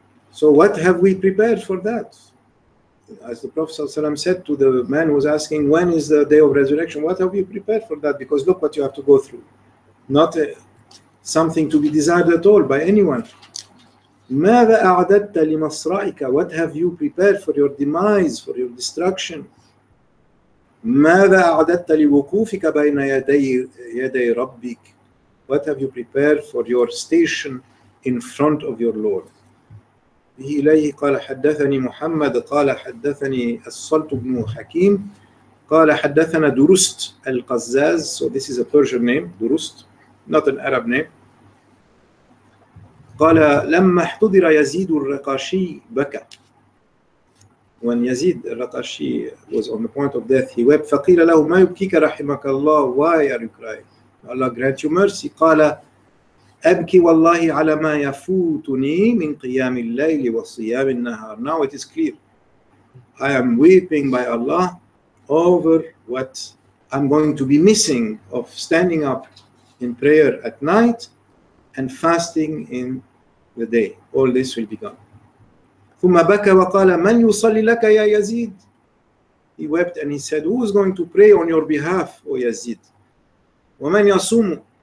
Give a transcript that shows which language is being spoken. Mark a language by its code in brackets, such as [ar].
[en] So what have we prepared for that? As the Prophet ﷺ said to the man who was asking, when is the day of resurrection? What have you prepared for that? Because look what you have to go through. Not something to be desired at all by anyone. [ar] ماذا أعددت لمصرعك? [en] What have you prepared for your demise, for your destruction? [ar] ماذا أعددت لوقوفك بين يدي ربك? [en] What have you prepared for your station in front of your Lord? [ar] به إليه قال حدثني محمد قال حدثني الصلت بن حكيم قال حدثنا درست القزاز [en] So this is a Persian name, درست, not an Arab name. [ar] قال لما احتضر يزيد الرقاشي بكى [en] When Yazid al-Raqashi was on the point of death, he wept. [ar] فَقِيلَ لَهُ مَا يُبْكِيكَ رَحِمَكَ اللَّهُ [en] Why are you crying? Allah grant you mercy. [ar] قَالَ أَبْكِ وَاللَّهِ عَلَى مَا يَفُوتُنِي مِنْ قِيَامِ اللَّيْلِ وَصِيَامِ النَّهَارِ [en] Now it is clear. I am weeping by Allah over what I'm going to be missing of standing up in prayer at night and fasting in the day. All this will be gone. [ar] ثم بكى وقال من يصلي لك يا يزيد [en] He wept and he said who is going to pray on your behalf O Yazid [ar] ومن يصوم